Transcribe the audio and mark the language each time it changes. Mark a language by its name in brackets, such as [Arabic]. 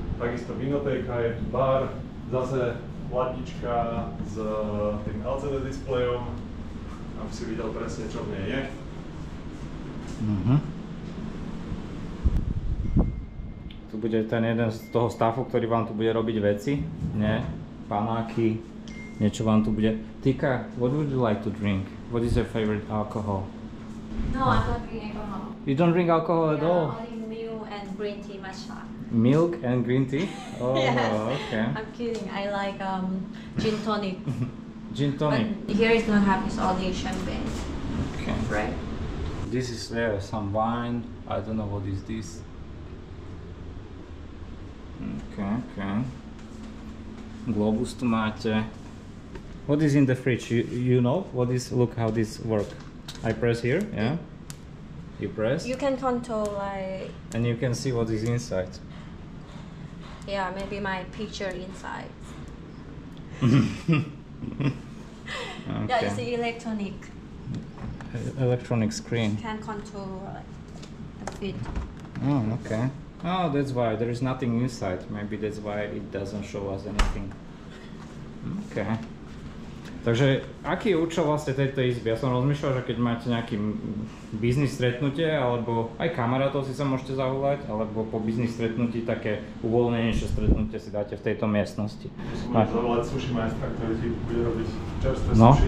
[Slovak] Takisto vinotéka, je tu bar, zase hladička s tým LCD displejom, aby si videl presne, čo v nej je. Mm-hmm. Tu bude ten jeden z toho staffu, ktorý vám tu bude robiť veci, nie? Panáky, niečo vám tu bude. [English] Tika, what would you like to drink? What is your favorite alcohol? No, I don't drink alcohol. You don't drink alcohol at all? Yeah, only milk and green tea, matcha. Milk and green tea? Oh, yes. Okay. I'm kidding. I like gin tonic. Gin tonic. But here it's not happy, it's only champagne. Okay. Right? This is there, some wine. I don't know what is this. Okay, okay. Globus tomate. What is in the fridge? You know? What is, look how this work. I press here, yeah? You press. You can control like... And you can see what is inside. Yeah, maybe my picture inside. Okay. Yeah, it's electronic. Electronic screen. Can control the feed. Oh, okay. Oh, that's why there is nothing inside. Maybe that's why it doesn't show us anything. Okay. [Slovak] Takže, aký je účel vlastne tejto izby? Ja som rozmýšľal, že keď máte nejaký biznis stretnutie, alebo aj kamarátov si sa môžete zavolať, alebo po biznis stretnutí také uvoľnenejšie stretnutie si dáte v tejto miestnosti. Môžete zavolať sushi majstra, ktorý ti bude robiť čerstvé sushi.